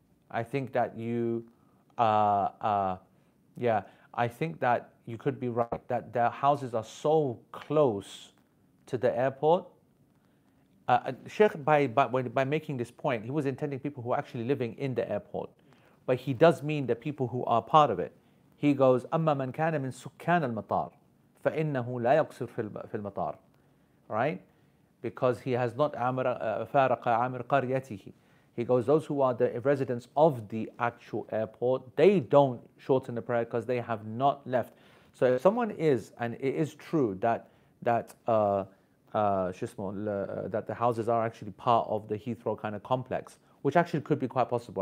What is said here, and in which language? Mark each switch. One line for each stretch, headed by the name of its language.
English: I think that you could be right, that the houses are so close to the airport. Sheikh, by making this point, he was intending people who are actually living in the airport, but he does mean the people who are part of it. He goes,
Arabic: "أما من كان من سكان المطار فإنه لا يقصر في المطار,"
English: right? Because he has not
Arabic: فارق عامر قريته.
English: He goes, those who are the residents of the actual airport, they don't shorten the prayer because they have not left. So if someone is, and it is true that the houses are actually part of the Heathrow kind of complex, which actually could be quite possible.